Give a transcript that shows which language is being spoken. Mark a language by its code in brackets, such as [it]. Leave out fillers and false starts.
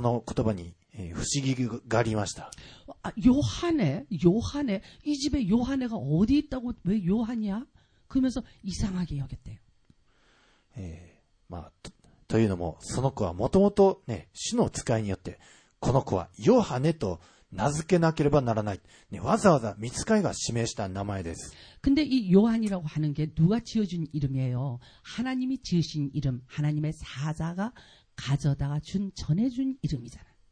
[ja] 人々はこのヨハネという名前をつけなくてはならないその言葉に不思議がありました [ko] 요하네 이 집에 요하네가 어디 있다고 왜 요한이야? 그러면서 이상하게 여겼대요. [ja] というのもその子はもともと主の使いによってこの子はヨハネと名付けなければならないわざわざ御使いが指名した名前です [ko] 근데 이 요한이라고 하는 게 누가 지어준 이름이에요? 하나님이 지으신 이름, 하나님의 사자가 가져다가 준, 전해준 이름이잖아.